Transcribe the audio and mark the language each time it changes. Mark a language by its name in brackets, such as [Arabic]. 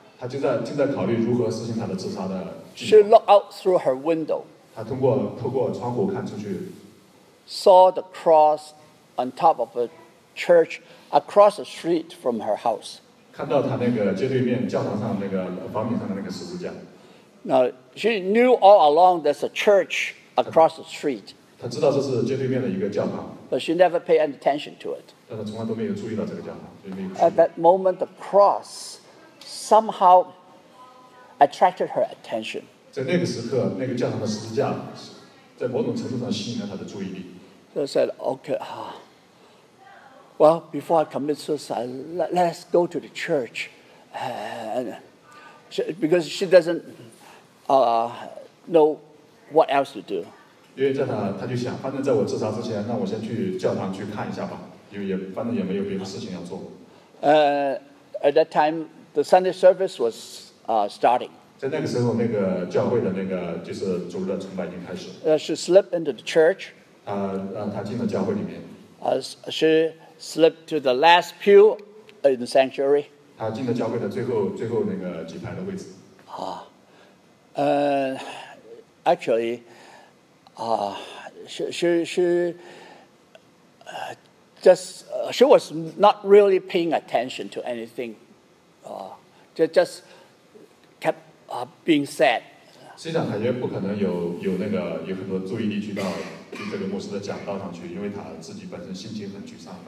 [Chinese] 她正在考虑如何实行她的自杀的。 [English] She looked out through her window. [Chinese] 她透过窗户看出去。 [English] Saw the cross on top of a church across the street from her house. [Chinese] 看到她那个街对面教堂上那个房顶上的那个十字架。 [English] Now she knew all along there's a church across the street. [Chinese] 她知道这是街对面的一个教堂。 [English] But she never paid any attention to it. [Chinese] 但她从来都没有注意到这个教堂。 [English] At that moment, the cross somehow attracted her attention. [Chinese] 在那个时刻，那个教堂的十字架，在某种程度上吸引了她的注意力。 [English] She said, "Okay, well, before I commit suicide, let's go to the church, and because she doesn't know what else to do." [Chinese] 因为在她就想，反正在我自杀之前，那我先去教堂去看一下吧，因为也反正也没有别的事情要做。 [English] At that time, the Sunday service was starting. [Chinese] 在那个时候，那个教会的那个就是主日的崇拜已经开始。 [English] She slipped into the church. [Chinese] 她进了教会里面。 [English] She slipped to the last pew in the sanctuary. [Chinese] 她进了教会的最后那个几排的位置。 [English] Actually, she was not really paying attention to anything. Just kept being sad. [Chinese] 实际上，她也不可能有很多注意力去到这个牧师的讲道上去，因为她自己本身心情很沮丧。